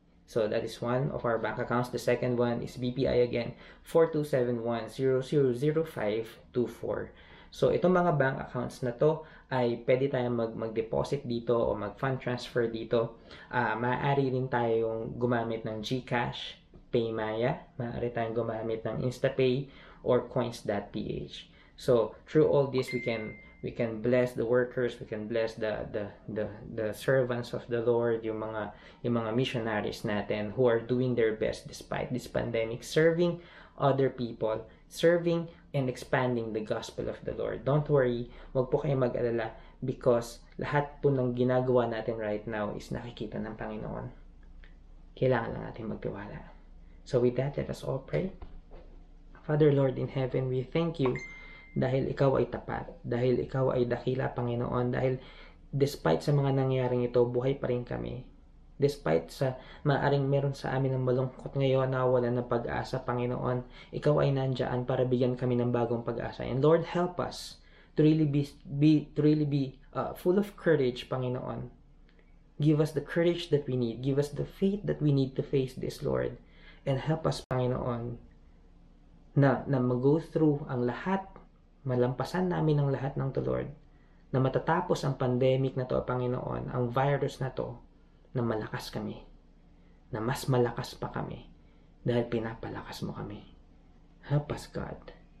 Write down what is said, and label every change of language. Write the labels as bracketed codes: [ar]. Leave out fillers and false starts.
[en] So that is one of our bank accounts. The second one is BPI again, 42710005240. [tl] So itong mga bank accounts na to ay pwede tayong mag-deposit dito o mag-fund transfer dito. Maaari rin tayong gumamit ng GCash, Paymaya, maaari tayong gumamit ng InstaPay or Coins.ph. [en] So through all this we can bless the workers, we can bless the servants of the Lord, [tl] yung mga missionaries natin [en] who are doing their best despite this pandemic, serving other people, serving and expanding the gospel of the Lord. Don't worry, [tl] huwag po kayong mag-alala because lahat po ng ginagawa natin right now is nakikita ng Panginoon. Kailangan lang natin magtiwala. [en] So with that, let us all pray. Father Lord in heaven, we thank you [tl] dahil ikaw ay tapat, dahil ikaw ay dakila, Panginoon, dahil despite sa mga nangyaring ito, buhay pa rin kami. Despite sa maaring meron sa amin ng malungkot ngayon na wala ng pag-asa, Panginoon, ikaw ay nandiyan para bigyan kami ng bagong pag-asa. [en] And Lord, help us to really be full of courage, Panginoon. Give us the courage that we need. Give us the faith that we need to face this, Lord. [tl] And help us, Panginoon, na mag-go through ang lahat, malampasan namin ang lahat ng to, Lord, na matatapos ang pandemic na to, Panginoon, ang virus na to, na malakas kami, na mas malakas pa kami dahil pinapalakas mo kami. [en] Help us, God.